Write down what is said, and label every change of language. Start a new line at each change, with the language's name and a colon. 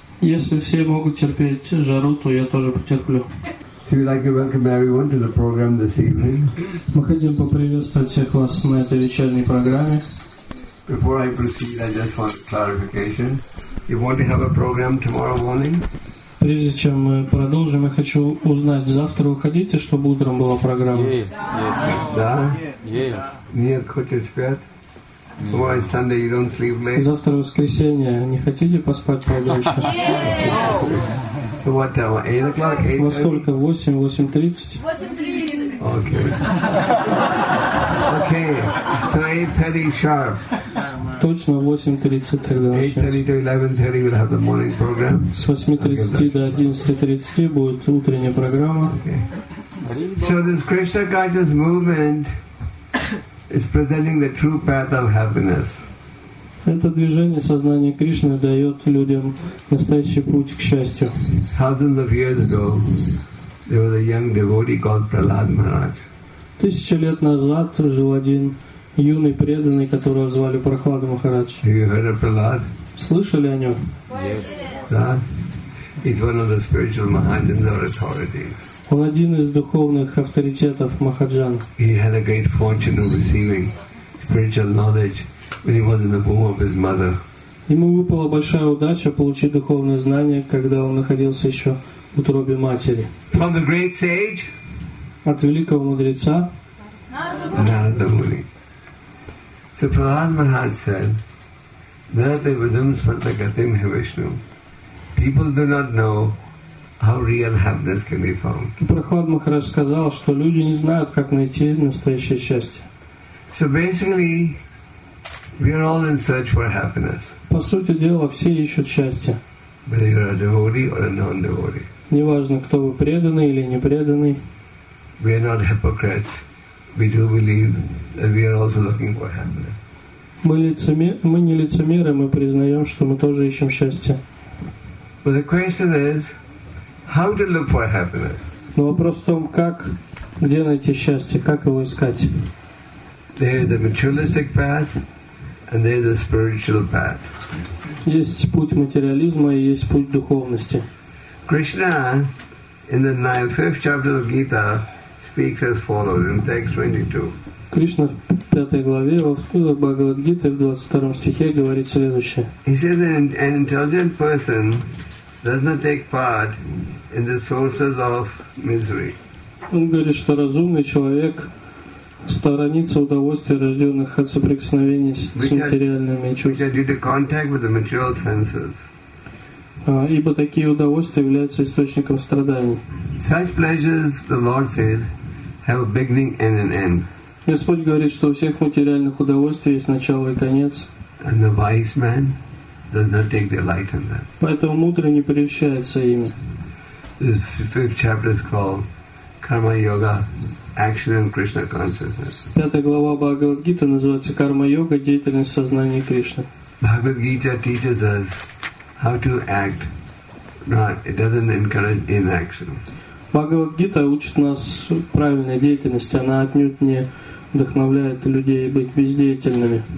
Russian: Если все могут терпеть жару, то я тоже потерплю.
English: So we'd like to welcome everyone to the program this evening.
Russian: Мы хотим поприветствовать всех вас на этой вечерней программе.
English: Before I proceed, I just want clarification. You want to have a program tomorrow morning?
Russian: Прежде чем мы продолжим, я хочу узнать, завтра вы хотите, чтобы утром была программа?
English: Yes.
Russian: Да?
English: Yes.
Russian: Нет, хочет спать?
English: Why Sunday you don't sleep late?
Russian: Завтра воскресенье, не хотите поспать подольше?
English: So what time? 8 o'clock.
Russian: Во сколько? 8, 8:30.
English: 8:30. Okay. So 8:30 sharp.
Russian: Точно 8:30 тогда.
English: 8:30 to 11:30 we'll have the morning program.
Russian: С 8:30 до 11:30 будет утренняя программа.
English: So this Krishna conscious movement. It's presenting the true path of happiness.
Russian: Это движение сознания Кришны дает людям настоящий путь к счастью.
English: Thousands of years ago, there was a young devotee called Prahlad Maharaj.
Russian: Тысячи лет назад жил один юный преданный, которого звали Прахлада Махарадж.
English: Have you heard of Prahlad?
Russian: Слышали о нем?
English: Yes.
Russian: Да.
English: He's one of the spiritual Mahajans or authorities.
Russian: Он один из духовных авторитетов Махаджан.
English: He had a great fortune of receiving spiritual knowledge when he was in the womb of his mother.
Russian: Ему выпала большая удача получить духовное знание, когда он находился еще в утробе матери.
English: From the great sage?
Russian: От великого мудреца?
English: Narada Muni. So Prahlad Maharaj said,
Sanskrit: Narada Vidum Svartagatim Hivishnu.
English: People do not know how real happiness can be found.
Russian: Прахлад Махарадж сказал, что люди не знают, как найти настоящее счастье.
English: So basically, we are all in search for happiness.
Russian: По сути дела, все ищут счастье.
English: Whether you are a devotee or a non-devotee.
Russian: Неважно, кто вы, преданный или непреданный.
English: We are not hypocrites. We do believe that we are also looking for happiness.
Russian: Мы не лицемеры, мы признаем, что мы тоже ищем счастье.
English: But the question is, how to look for happiness?
Russian: Но вопрос в том, как, где найти счастье, как его искать.
English: There is a materialistic path, and there is a spiritual path.
Russian: Есть путь материализма и есть путь духовности.
English: Krishna, in the 5th chapter of Gita, speaks as follows in text 22.
Russian: Кришна в 5 главе Бхагавад-гиты в 22 стихе говорит следующее.
English: He says that an intelligent person does not take part in the sources of misery.
Russian: Он говорит, что разумный человек сторонится удовольствия, рожденных от соприкосновения с материальными чувствами.
English: Which are due to contact with the material senses.
Russian: Ибо такие удовольствия являются источником страданий.
English: Such pleasures, the Lord says, have a beginning and an end.
Russian: Господь говорит, что у всех материальных удовольствий есть начало и конец.
English: And the wise man does not take delight in that.
Russian: Поэтому мудрый не прельщается ими.
English: This 5th chapter is called Karma Yoga, Action in Krishna Consciousness.
Russian: 5th глава Бхагавад Гита называется Карма Йога, деятельность сознания Кришны.
English: Bhagavad Gita teaches us how to act, not it doesn't encourage inaction.
Russian: Бхагавад Гита учит нас правильной деятельности, она отнюдь не вдохновляет людей быть бездеятельными.